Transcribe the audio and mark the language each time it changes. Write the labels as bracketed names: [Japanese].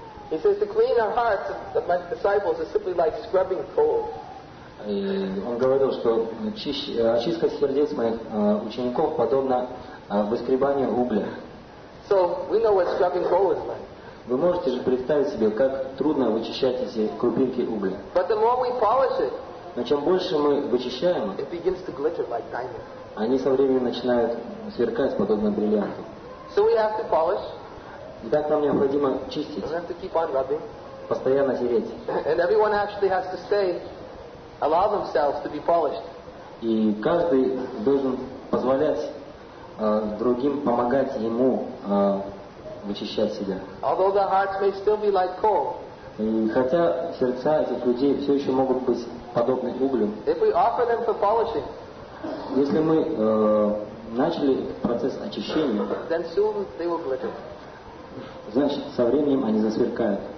[English] He says to clean our hearts of my disciples is simply like scrubbing coal. [Russian] И он говорил, что очистка сердец моих учеников подобна выскребанию угля. [English] So we know what scrubbing coal is like. [Russian] Вы можете же представить себе, как трудно вычищать эти крупинки угля. [English] But the more we polish it, [Russian] но чем больше мы вычищаем, [English] it begins to glitter like diamonds. [Russian] Они со временем начинают сверкать подобно бриллианту. [English] So we have to polish. [Russian] Итак, нам необходимо чистить. [English] We have to keep on rubbing. [Russian] Постоянно тереть. [English] And everyone actually has to stay, allow themselves to be polished. [Russian] И каждый должен позволять другим помогать ему вычищать себя. [English] Although their hearts may still be like coal, [Russian] и хотя сердца этих людей все еще могут быть подобны углю, [English] if we offer them for polishing, [Russian] если мы начали процесс очищения, [English] then soon they will glitter. [Russian] Значит, со временем они засверкают.